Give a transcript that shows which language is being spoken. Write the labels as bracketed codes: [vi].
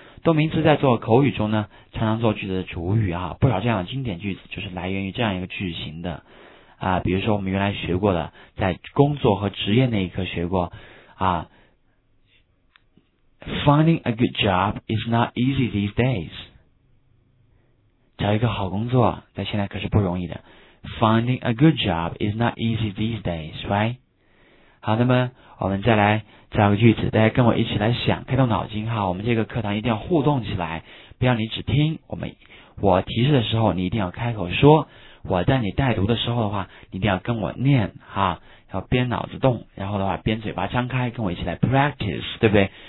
[zh] 动名词在做口语中呢常常做句子的主语哈，不少这样的经典句子就是来源于这样一个句型的。啊，比如说我们原来学过的，在工作和职业那一课学过啊 , [en] finding a good job is not easy these days. [zh] 找一个好工作在现在可是不容易的。 [en] Finding a good job is not easy these days, right? [zh] 好，那么我们再来找个句子，大家跟我一起来想，开动脑筋哈。我们这个课堂一定要互动起来，不要你只听，我提示的时候你一定要开口说，我在你带读的时候的话你一定要跟我念哈，要边脑子动，然后的话边嘴巴张开，跟我一起来 practice, 对不对？